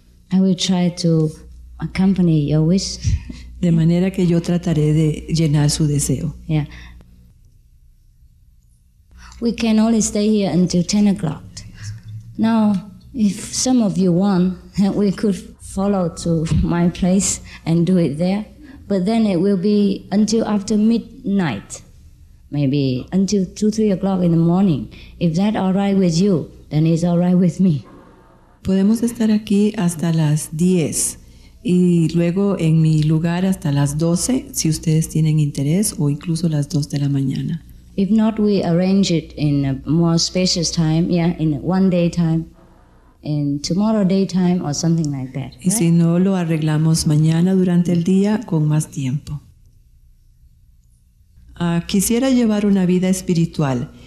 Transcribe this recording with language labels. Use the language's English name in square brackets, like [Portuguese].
[English] I will try to accompany your wish. [Spanish] De manera que yo trataré de llenar su deseo. Yeah. [English] We can only stay here until 10 o'clock. Now, if some of you want, we could follow to my place and do it there. But then it will be until after midnight, maybe until 2-3 o'clock in the morning. If that all right with you, then it's all right with me. [Spanish] Podemos estar aquí hasta las 10 y luego en mi lugar hasta las 12 si ustedes tienen interés o incluso las 2 de la mañana. [English] If not, we arrange it in a more spacious time, yeah, in one day time, in tomorrow day time or something like that. [Spanish] Y si no, lo arreglamos mañana durante el día con más tiempo. Quisiera llevar una vida espiritual.